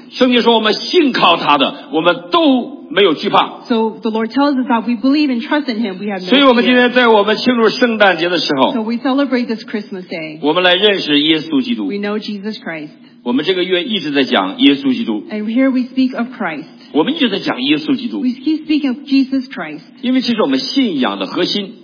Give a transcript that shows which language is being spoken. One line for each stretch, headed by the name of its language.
Chinese: 圣经说我们信靠他的，我们都没有惧怕。
English: So the Lord tells us that we believe and trust in him, we have no fear.
Chinese: 所以我们今天在我们庆祝圣诞节的时候
English: ，So we celebrate this Christmas day.
Chinese: 我们来认识耶稣基督。
English: We know Jesus Christ.
Chinese: 我们这个月一直在讲耶稣基督。
English: And here we speak of Christ.
Chinese: 我们一直在讲耶稣基督。
English: We keep speaking of Jesus Christ.
Chinese: 因为这是我们信仰的核心。